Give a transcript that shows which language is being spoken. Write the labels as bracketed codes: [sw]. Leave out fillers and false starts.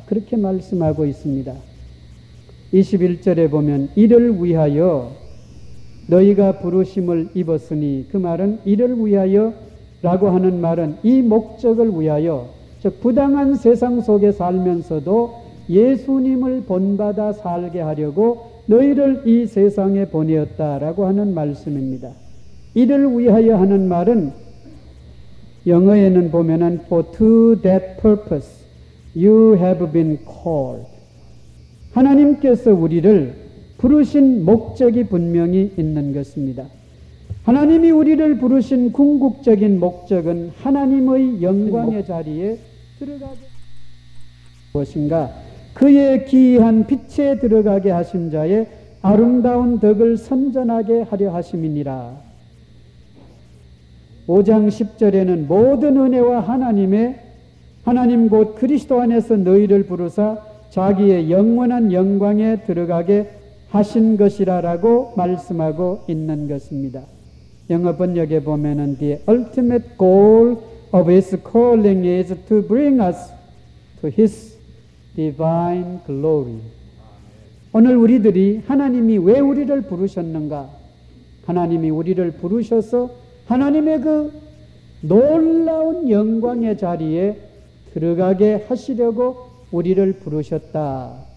[ko] 그렇게 말씀하고 있습니다. 21절에 보면 이를 위하여 너희가 부르심을 입었으니, 그 말은 이를 위하여 라고 하는 말은 이 목적을 위하여, 즉 부당한 세상 속에 살면서도 예수님을 본받아 살게 하려고 너희를 이 세상에 보내었다라고 하는 말씀입니다. 이를 위하여 하는 말은 영어에는 보면은 [en] for to that purpose you have been called. [ko] 하나님께서 우리를 부르신 목적이 분명히 있는 것입니다. 하나님이 우리를 부르신 궁극적인 목적은 하나님의 영광의 자리에 들어가게 하신 것인가? 그의 기이한 빛에 들어가게 하신 자의 아름다운 덕을 선전하게 하려 하심이니라. 5장 10절에는 모든 은혜와 하나님 곧 그리스도 안에서 너희를 부르사 자기의 영원한 영광에 들어가게 하신 것이라라고 말씀하고 있는 것입니다. 영어 번역에 보면은 [en] The ultimate goal of his calling is to bring us to his divine glory. [ko] 오늘 우리들이 하나님이 왜 우리를 부르셨는가? 하나님이 우리를 부르셔서 하나님의 그 놀라운 영광의 자리에 들어가게 하시려고 우리를 부르셨다.